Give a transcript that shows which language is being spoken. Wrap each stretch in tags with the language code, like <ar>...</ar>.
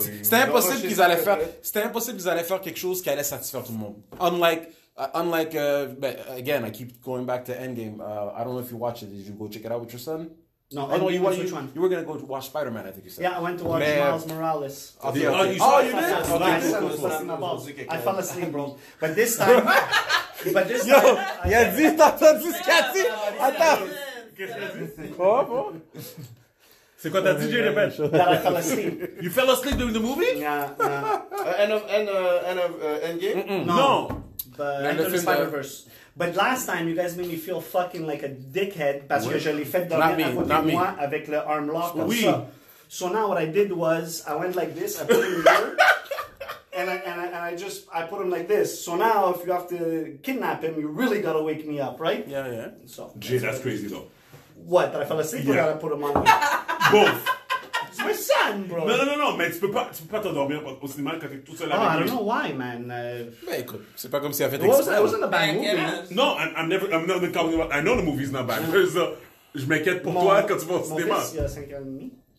<fr>C'était impossible qu'ils allaient faire quelque chose qui allait satisfaire tout le monde.</fr> <en>But again, I keep going back to Endgame. I don't know if you watch it. Did you go check it out with your son? No, oh, no, you were going to go to watch Spider-Man, I think you said. Yeah, I went to watch Miles Morales. Oh, you did? I fell asleep, bro. But this time... Yo, yeah, this time, this is Cathy.</en> <fr>Attends. C'est quoi t'as dit, Jérémy?</fr> <en>That I fell asleep. You fell asleep during the movie? Yeah. End of Endgame? No. End of Spider-Verse. But last time, you guys made me feel fucking like a dickhead</en> <fr>parce que je l'ai fait dormir à côté de moi avec le arm lock. Oui.</fr> <en>So now what I did was, I went like this, I put him here, and I put him like this. So now if you have to kidnap him, you really gotta wake me up, right? Yeah, yeah. So. Jeez, that's crazy though. What, that I fell asleep or that I put him on? Both. My son, bro.</en> <fr>No, mais tu peux pas t'endormir aussi mal quand t'es tout seul avec lui.</fr> <en>Oh, I don't know why, man.</en> <fr>Mais écoute, c'est pas comme si elle avait été expérimentée.</fr> <en>Was in the bad movie. No, I'm never talking about. I know the movie's not bad.</en> <fr>Je m'inquiète pour toi quand tu vas au cinéma. Mon fils, il y a 5 ans et demi.</fr>